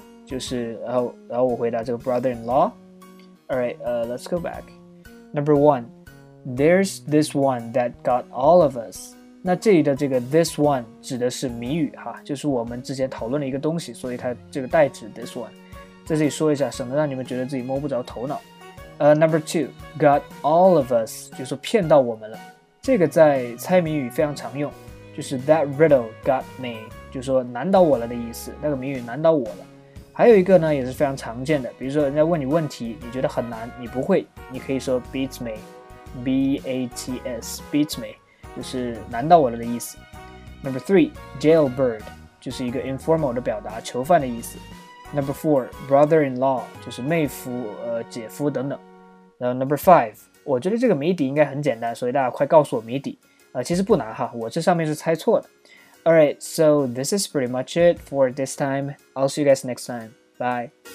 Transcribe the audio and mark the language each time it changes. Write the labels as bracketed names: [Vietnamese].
[Chinese] 就是然后我回答这个 brother-in-law. [English] Alright, let's go back. Number one, there's this one that got all of us. [Chinese] 那这里的这个 this one 指的是谜语哈，就是我们之前讨论的一个东西，所以它这个代指 this one。在这里说一下，省得让你们觉得自己摸不着头脑。 Number two, [English] got all of us, [Chinese] 就是说骗到我们了。这个在猜谜语非常常用，就是 [English] that riddle got me, [Chinese] 就是说难倒我了的意思，那个谜语难倒我了。还有一个呢，也是非常常见的，比如说人家问你问题，你觉得很难，你不会，你可以说 [English] beats me, B-A-T-S, beats me. [Chinese] 就是难倒我了的意思。 Number three, jailbird, 就是一个 informal 的表达，囚犯的意思。 Number four, brother-in-law, 就是妹夫、姐夫等等。 Number five, 我觉得这个谜底应该很简单，所以大家快告诉我谜底、其实不难哈，我这上面是猜错的。 [English] Alright, so this is pretty much it for this time. I'll see you guys next time. Bye.